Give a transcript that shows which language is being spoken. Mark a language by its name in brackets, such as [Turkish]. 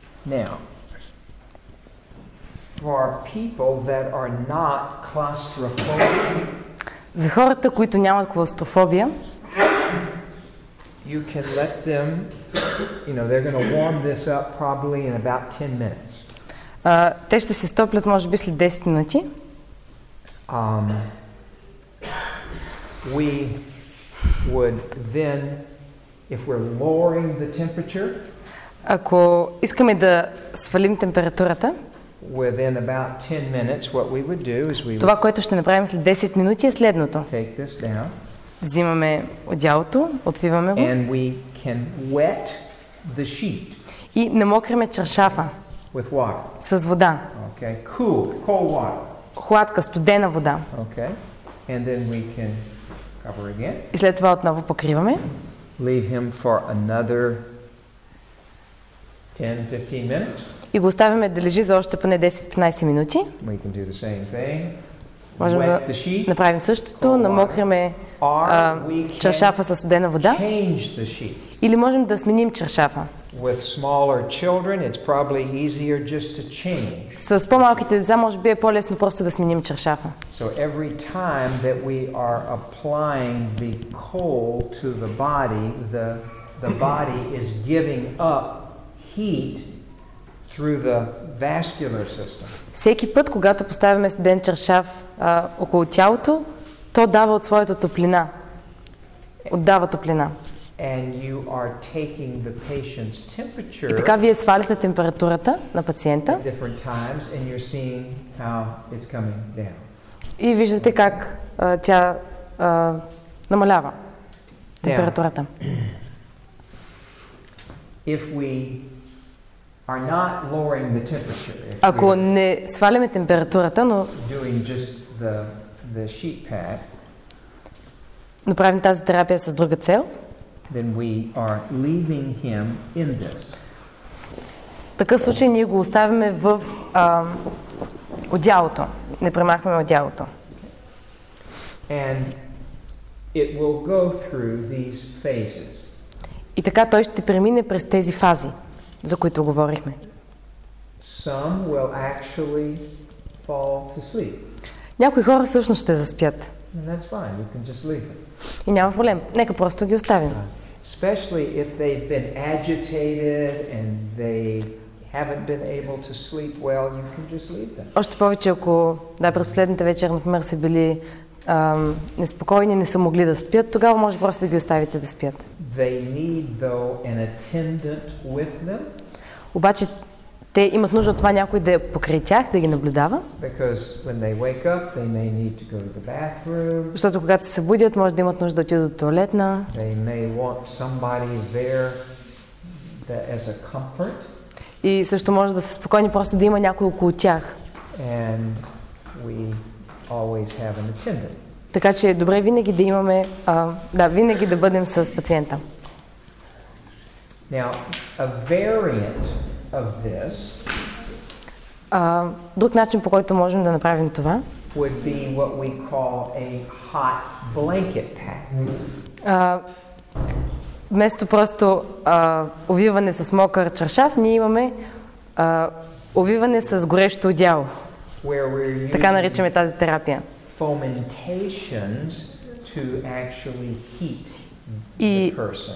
[English] Now, for people that are not claustrophobic, [Bulgarian] за хората, които нямат клаустрофобия, [English] you can let them, you know, they're going to warm this up probably in about 10 minutes. [Bulgarian] Те ще се стоплят може би след 10 минути. [English] We would then, if we're lowering the temperature, [Bulgarian] ако искаме да свалим температурата, [English] within about 10 minutes, what we would do is we would [Bulgarian] това, което ще направим след 10 минути е следното. [English] Take this down. [Bulgarian] Взимаме одеялото, отвиваме го. [English] And we can wet the sheet. [Bulgarian] И намокряме чершафа. [English] With water. [Bulgarian] С вода. [English] Okay. Cool. Cold water. [Bulgarian] Хладка, студена вода. [English] Okay. And then we can cover again. [Bulgarian] И след това отново покриваме. [English] Leave him for another 10-15 minutes. [Bulgarian] И го оставяме да лежи за още поне 10-15 минути. [English] We can do the same thing. [Bulgarian] Можем да направим същото, намокряме чершафа с студена вода. Или можем да сменим чершафа. [English] With smaller children, it's probably easier just to change. [Bulgarian] С по-малките деца може би е по-лесно просто да сменим чершафа. [English] So every time that we are applying the cold to the body, the body is giving up heat through the vascular system. [Bulgarian] Всеки път, когато поставяме студен чершав около тялото, то дава от своята топлина. Отдава топлина. [English] And you are taking the patient's temperature. [Bulgarian] И така вие сваляте температурата на пациента. [English] At different times and you're seeing how it's coming down. [Bulgarian] И виждате как тя намалява температурата. [English] Now, if we are not lowering the temperature. [Bulgarian] Ако не сваляме температурата, но [English] doing just the sheet pad, [Bulgarian] но правим тази терапия с друга цел, [English] then we are leaving him in this. [Bulgarian] Такъв случай ние го оставяме в одеялото. Не премахваме одеялото. [English] And it will go through these phases. [Bulgarian] И така той ще премине през тези фази, за които говорихме. [English] Some will actually fall to sleep. [Bulgarian] Някои хора всъщност ще заспят. [English] And that's fine. You can just leave it. [Bulgarian] И няма проблем. Нека просто ги оставим. [English] Especially if they've been agitated and they haven't been able to sleep well, you can just leave them. [Bulgarian] Още повече ако през последната вечер, например, са били неспокойни, не са могли да спят, тогава може просто да ги оставите да спят. [English] They need, though, an attendant with them. [Bulgarian] Обаче те имат нужда от това някой да е покрай тях, да ги наблюдава. [English] Because when they wake up, they may need to go to the bathroom. [Bulgarian] Защото когато се събудят, може да имат нужда да отидат до туалетна. [English] They may want somebody there that as a comfort. [Bulgarian] И също може да са спокойни, просто да има някой около тях. [English] And we always have an attendant. [Bulgarian] Така че добре винаги да имаме, винаги да бъдем с пациента. [English] Now, a variant of this. [Bulgarian] Друг начин, по който можем да направим това, [English] would be what we call a hot blanket pack. [Bulgarian] Вместо просто увиване с мокър чаршаф, ние имаме увиване с горещо одеяло. Така наричаме тази терапия. [English] Fomentations to actually heat the person.